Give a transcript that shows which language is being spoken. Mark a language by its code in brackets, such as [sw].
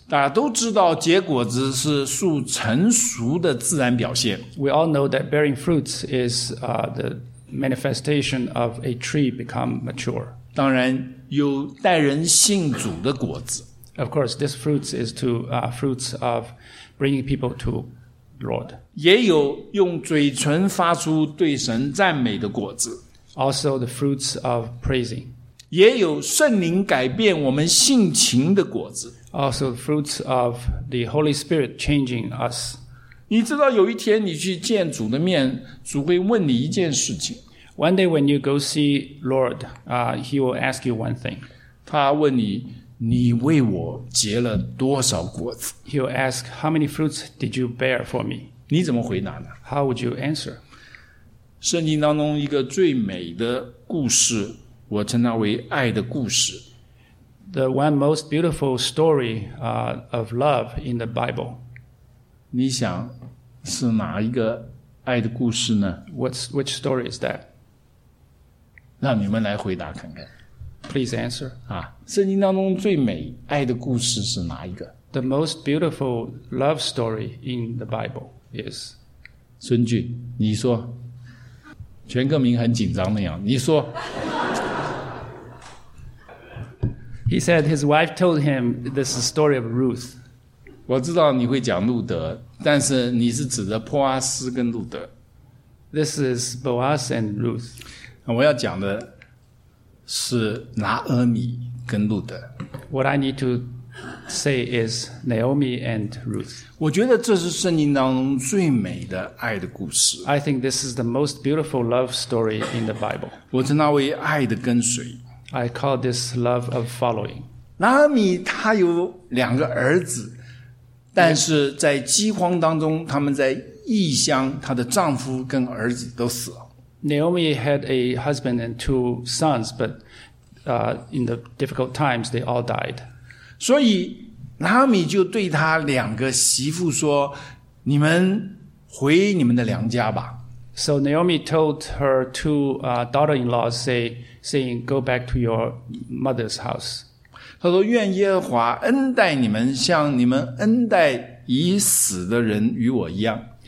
[zh] 大家都知道结果子是树成熟的自然表现。 [en] We all know that bearing fruits is the manifestation of a tree become mature. [zh] 当然有带人信主的果子。 [en] Of course, this fruits is to fruits of bringing people to Lord. [zh] 也有用嘴唇发出对神赞美的果子。 [en] Also the fruits of praising. [zh] 也有圣灵改变我们性情的果子。 [en] Also the fruits of the Holy Spirit changing us. [zh] 你知道有一天你去见主的面，主会问你一件事情。 [en] One day when you go see Lord, he will ask you one thing. [zh] 他问你，你为我结了多少果子？ [en] He'll ask, how many fruits did you bear for me? [zh] 你怎么回答呢？ [en] How would you answer? [zh] 圣经当中一个最美的故事，我称它为爱的故事。 [en] The one most beautiful story of love in the Bible. [zh] 你想是哪一个爱的故事呢？ [en] Which story is that? [zh] 让你们来回答看看。 [en] Please answer. [zh] 啊，圣经当中最美爱的故事是哪一个？ [en] The most beautiful love story in the Bible is. [zh] 孙俊，你说。全克明很紧张那样，你说。 [en] He said his wife told him this story of Ruth. [zh] 我知道你会讲路德，但是你是指的波阿斯跟路德。 [en] This is Boaz and Ruth. [zh] 我要讲的是拿俄米跟路德。 [en] What I need to say is Naomi and Ruth. [zh] 我觉得这是圣经当中最美的爱的故事。 [en] I think this is the most beautiful love story in the Bible. [zh] 我称它为爱的跟随。 [en] I call this love of following. [zh] 拿俄米他有两个儿子，但是在饥荒当中，他们在异乡，他的丈夫跟儿子都死了。 [en] Naomi had a husband and two sons, but in the difficult times, they all died. [zh] 所以拿俄米就对他两个媳妇说，你们回你们的娘家吧。 [en] So Naomi told her two daughter-in-laws, saying, go back to your mother's house. [zh] 他说，愿耶和华恩待你们，像你们恩待已死的人与我一样。